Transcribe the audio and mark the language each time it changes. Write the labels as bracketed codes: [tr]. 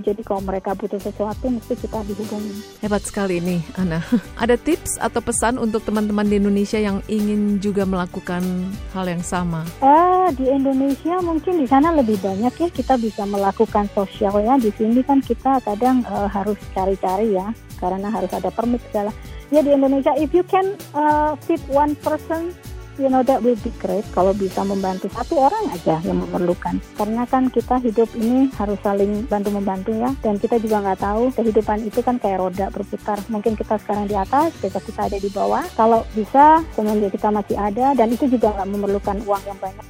[id] Jadi kalau mereka butuh sesuatu, mesti kita dihubungi. Hebat sekali ini, Ana. Ada tips atau pesan untuk teman-teman di Indonesia yang ingin juga melakukan hal yang sama? Di Indonesia mungkin di sana lebih banyak ya. Kita bisa melakukan sosialnya. Di sini kan kita kadang harus cari-cari ya, karena harus ada permit segala. Ya di Indonesia, [en] if you can feed one person, you know that will be great. [id] Kalau bisa membantu satu orang aja yang memerlukan. Karena kan kita hidup ini harus saling bantu-membantu ya. Dan kita juga gak tahu, kehidupan itu kan kayak roda berputar. Mungkin kita sekarang di atas, besok kita ada di bawah. Kalau bisa, semuanya kita masih ada. Dan itu juga gak memerlukan uang yang banyak.